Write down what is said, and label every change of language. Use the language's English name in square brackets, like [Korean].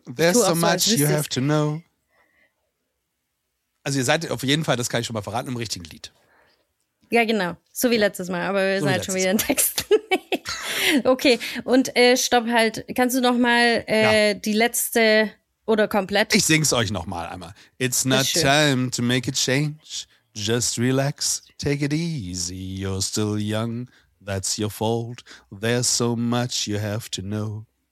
[English] There's so much you have to know. [German] Also ihr seid auf jeden Fall, das kann ich schon mal verraten, im richtigen Lied. Ja, genau. So wie letztes Mal. Aber wir sind halt schon wieder im Text. Okay, und stopp halt. Kannst du nochmal die letzte... Oder komplett. Ich sing's euch nochmal einmal. [English] It's not time to make a change. Just relax, take it easy. You're still young, that's your fault. There's so much you have to know.